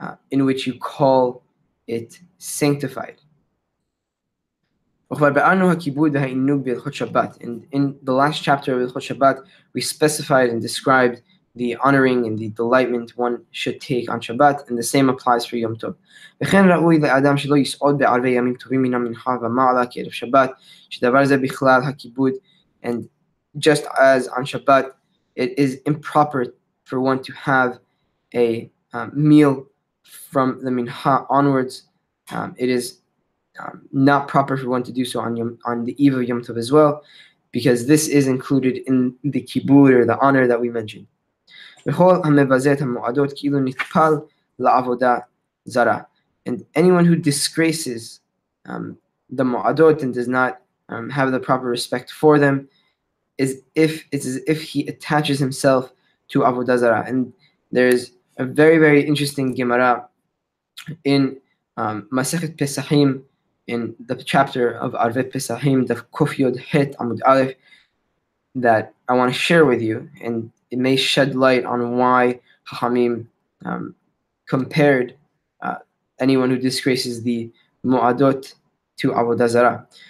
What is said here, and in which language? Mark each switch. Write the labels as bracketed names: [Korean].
[English] in which you call it sanctified. And in the last chapter of Hilchot Shabbat, we specified and described the honoring and the delightment one should take on Shabbat, and the same applies for Yom Tov. [Hebrew] וכן ראוי לאדם שלא יסעוד בערבי ימים טובים מן המנחה ומעלה כערב שבת, שדבר זה בכלל הכיבוד, [English] and just as on Shabbat, it is improper for one to have a meal from the mincha onwards. It is not proper for one to do so on the eve of Yom Tov as well, because this is included in the kibud or the honor that we mentioned. [Hebrew] וכל המבזה את המועדות כאילו נטפל לעבודה זרה. [English] And anyone who disgraces the mo'adot and does not have the proper respect for them is if it's as if he attaches himself to avodah zarah. And there is a very, very interesting gemara in Masechet Pesachim, in the chapter of Arve Pesachim, the Kuf Yod Het Amud Aleph, that I want to share with you, and it may shed light on why Chachamim compared anyone who disgraces the mu'adot to avodah zarah.